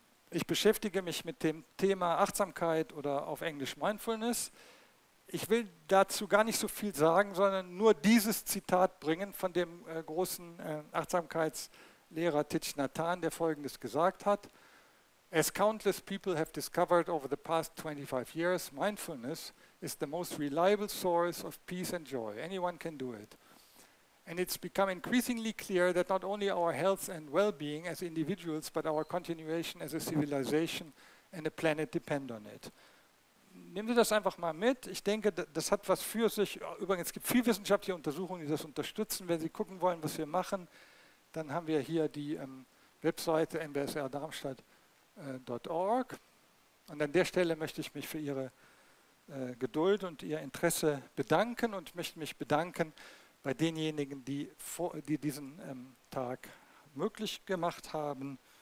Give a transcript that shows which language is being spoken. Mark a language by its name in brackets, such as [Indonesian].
[German] Ich beschäftige mich mit dem Thema Achtsamkeit oder auf Englisch Mindfulness. Ich will dazu gar nicht so viel sagen, sondern nur dieses Zitat bringen von dem großen Achtsamkeitslehrer Thich Nhat Hanh, der Folgendes gesagt hat. [English] As countless people have discovered over the past 25 years, mindfulness is the most reliable source of peace and joy. Anyone can do it. And it's become increasingly clear that not only our health and well-being as individuals, but our continuation as a civilization and a planet depend on it. [German] Nehmen Sie das einfach mal mit. Ich denke, das hat was für sich. Übrigens, es gibt viel wissenschaftliche Untersuchungen, die das unterstützen. Wenn Sie gucken wollen, was wir machen, dann haben wir hier die Webseite mbsrdarmstadt.org. Und an der Stelle möchte ich mich für Ihre Geduld und Ihr Interesse bedanken und möchte mich bedanken bei denjenigen, die diesen Tag möglich gemacht haben.